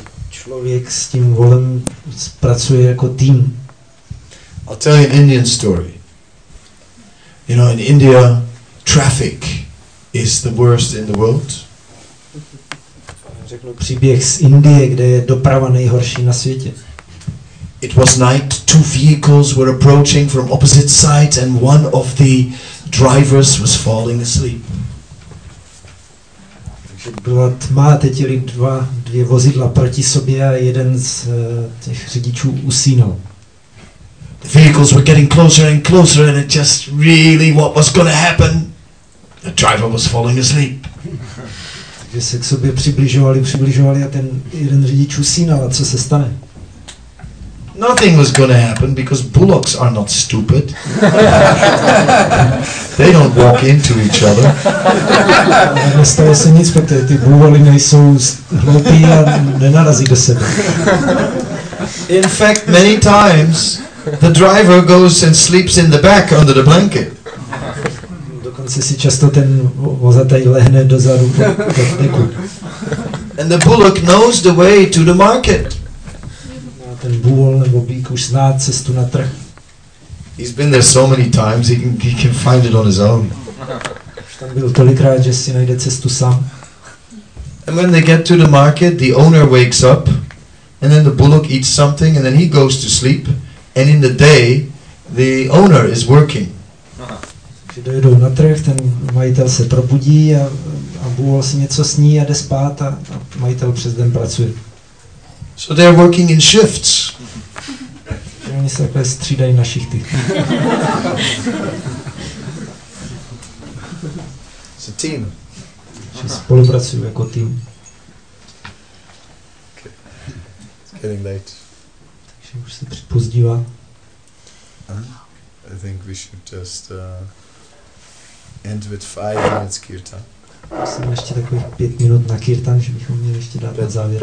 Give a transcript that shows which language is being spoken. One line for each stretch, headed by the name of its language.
Czech: Člověk s tím volem pracuje jako tým.
English: I'll tell you an Indian story. You know, in India, traffic is the worst in the world.
Czech: Řeknu příběh z Indie, kde je doprava nejhorší na světě.
English: It was night, two vehicles were approaching from opposite sides and one of the drivers was falling asleep.
Czech: Takže byla tma, teď jeli dvě vozidla proti sobě a jeden z těch řidičů usínal.
English: The vehicles were getting closer and closer and it just really what was going to happen. The driver was falling asleep.
Czech: Takže se k sobě přibližovali a ten jeden řidič usínal a co se stane?
English: Nothing was going to happen because bullocks are not stupid. They don't walk into each other.
Czech: Nestalo se nic, protože ty buvoly nejsou hloupí a nenarazí do sebe.
English: In fact, many times the driver goes and sleeps in the back under the blanket.
Czech: Dokonce si často ten vozatej lehne dozadu pod deku.
English: And the bullock knows the way to the market.
Czech: Ten bůl nebo bík už zná cestu na trh.
English: He's been there so many times, he can find it on his own.
Czech: Už tam byl tolikrát, že si najde cestu sám.
English: And when they get to the market, the owner wakes up, and then the bullock eats something, and then he goes to sleep, and in the day, the owner is working. Aha.
Czech: Když dojedou na trh, ten majitel se probudí a bůl si něco sní a jde spát a majitel přes den pracuje.
English: So they are working in shifts.
Czech: Oni se takhle střídají na šichty.
English: It's a team.
Czech: Že spolupracují jako tým.
English: It's getting late.
Czech: Takže už se připozdívá.
English: I think we should just end with 5 minutes kirtan.
Czech: Musím ještě takových 5 minut na kirtan, že bychom měli ještě dát na závěr.